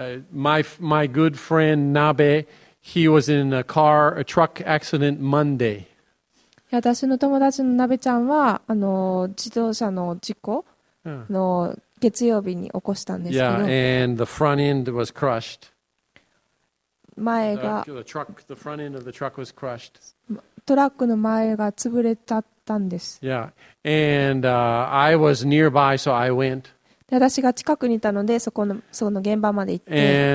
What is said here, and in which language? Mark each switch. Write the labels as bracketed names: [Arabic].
[English] My good friend Nabe, he was in a truck accident Monday. [Japanese] 私の友達の鍋ちゃんは自動車の事故の月曜日に起こしたんですけど、 [English] yeah, and the front end was crushed. [Japanese] 前が [English] the truck, the front end of the truck was crushed. [Japanese] トラックの前が潰れちゃったんです。 [English] Yeah. And, I was nearby, so I went. [Japanese] 私が近くにいたのでその現場まで行って。